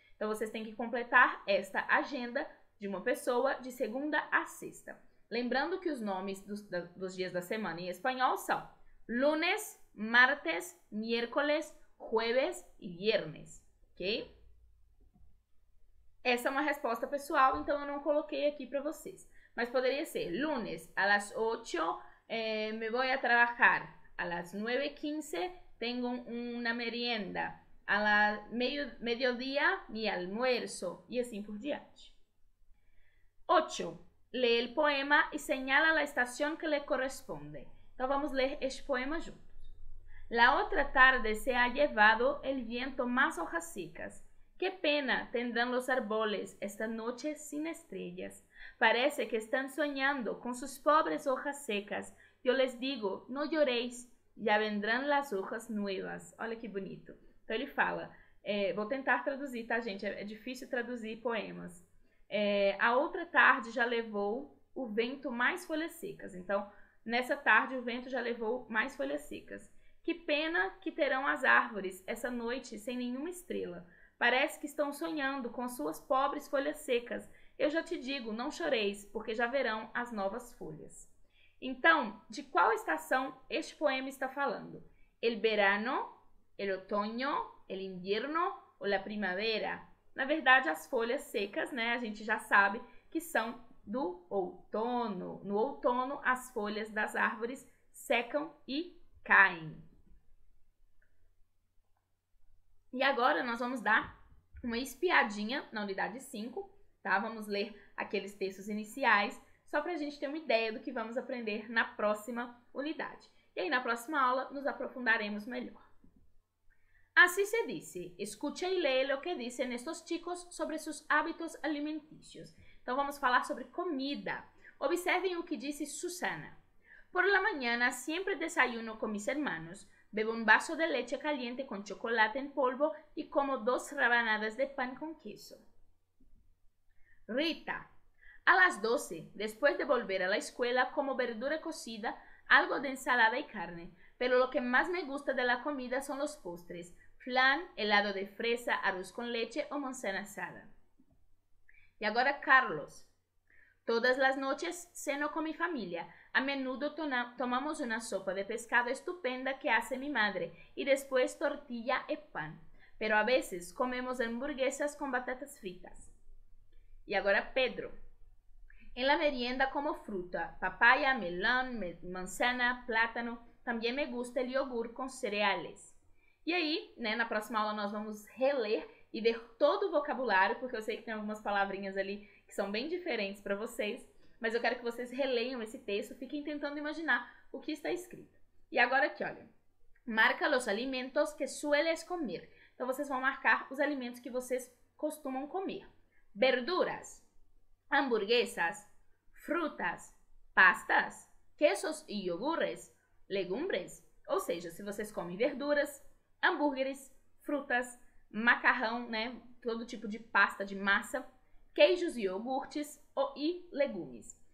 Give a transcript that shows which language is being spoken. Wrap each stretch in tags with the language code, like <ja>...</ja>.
<pt>Então, vocês têm que completar esta agenda de uma pessoa de segunda a sexta. Lembrando que os nomes dos dias da semana em espanhol são</pt> <es>lunes, martes, miércoles, jueves e viernes,</es> <pt>ok? Essa é uma resposta pessoal, então eu não coloquei aqui para vocês. Mas poderia ser:</pt> <es>lunes a las 8, me voy a trabajar. A las 9:15, tengo una merienda. A las mediodía, mi almuerzo. Y así por diante. 8. Lee el poema y señala la estación que le corresponde.</es> <pt>Então vamos ler este poema juntos.</pt> <es>La otra tarde se ha llevado el viento más hojas secas. Qué pena tendrán los árboles esta noche sin estrellas. Parece que están soñando con sus pobres hojas secas. Yo les digo, no lloréis, ya vendrán las hojas nuevas.</es> <pt>Olha que bonito. Então ele fala, vou tentar traduzir, tá gente? É difícil traduzir poemas. A outra tarde já levou o vento mais folhas secas. Então, nessa tarde o vento já levou mais folhas secas. Que pena que terão as árvores essa noite sem nenhuma estrela. Parece que estão sonhando com suas pobres folhas secas. Eu já te digo, não choreis, porque já verão as novas folhas. Então, de qual estação este poema está falando?</pt> <es>El verano, el otoño, el invierno ou la primavera?</es> <pt>Na verdade, as folhas secas, né, a gente já sabe que são do outono. No outono, as folhas das árvores secam e caem. E agora nós vamos dar uma espiadinha na unidade 5, tá? Vamos ler aqueles textos iniciais, só para a gente ter uma ideia do que vamos aprender na próxima unidade. E aí, na próxima aula, nos aprofundaremos melhor.</pt> <es>Así se dice, escucha y lee lo que dicen estos chicos sobre sus hábitos alimenticios.</es> <pt>Então vamos falar sobre comida.</pt> <es>Observen lo que dice Susana. Por la mañana siempre desayuno con mis hermanos, bebo un vaso de leche caliente con chocolate en polvo y como dos rebanadas de pan con queso. Rita. A las 12, después de volver a la escuela, como verdura cocida, algo de ensalada y carne. Pero lo que más me gusta de la comida son los postres. Flan, helado de fresa, arroz con leche o manzana asada. Y ahora Carlos. Todas las noches ceno con mi familia. A menudo tomamos una sopa de pescado estupenda que hace mi madre y después tortilla y pan. Pero a veces comemos hamburguesas con patatas fritas. Y ahora Pedro. En la merienda como fruta, papaya, melón, manzana, plátano. También me gusta el yogur con cereales.</es> <pt>E aí, né, na próxima aula nós vamos reler e ver todo o vocabulário, porque eu sei que tem algumas palavrinhas ali que são bem diferentes para vocês, mas eu quero que vocês releiam esse texto, fiquem tentando imaginar o que está escrito. E agora aqui, olha.</pt> <es>Marca los alimentos que sueles comer.</es> <pt>Então vocês vão marcar os alimentos que vocês costumam comer.</pt> <es>Verduras, hamburguesas, frutas, pastas, quesos e iogurtes, legumbres.</es> <pt>Ou seja, se vocês comem verduras, hambúrgueres, frutas, macarrão, né, todo tipo de pasta, de massa, queijos e iogurtes e legumes.</pt>